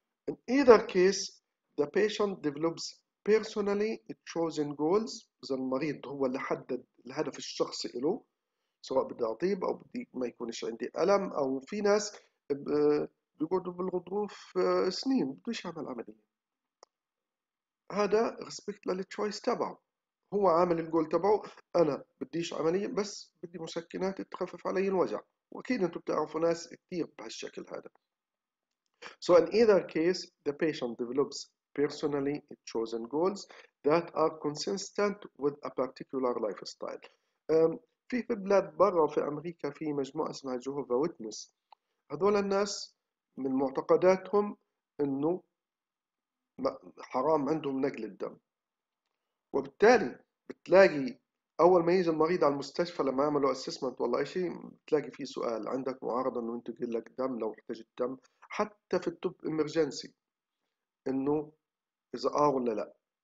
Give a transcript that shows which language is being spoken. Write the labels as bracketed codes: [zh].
[en] In either case the patient develops personally chosen goals، [ar] اذا المريض هو اللي حدد الهدف الشخصي له، سواء بدي اطيب او بدي ما يكونش عندي الم، او في ناس بيقعدوا بالغضروف سنين بديش يعمل عملية، هذا ريسبكت للتشويس تبعه، هو عامل الجول تبعه، أنا بديش عملية بس بدي مسكنات تخفف علي الوجع. وأكيد أنتم بتعرفوا ناس كتير بهالشكل هذا. [en] So in either case the patient develops personally chosen goals that are consistent with a particular lifestyle. [ar] في بلاد برا في أمريكا في مجموعة اسمها جهوفا ويتنس، هذول الناس من معتقداتهم انه حرام عندهم نقل الدم، وبالتالي بتلاقي اول ما يجي المريض على المستشفى لما يعملوا اسسمنت ولا اي شيء بتلاقي فيه سؤال عندك معارضه انه ينتقل لك دم لو احتاج الدم، حتى في الطب امرجنسي انه اذا ولا لا.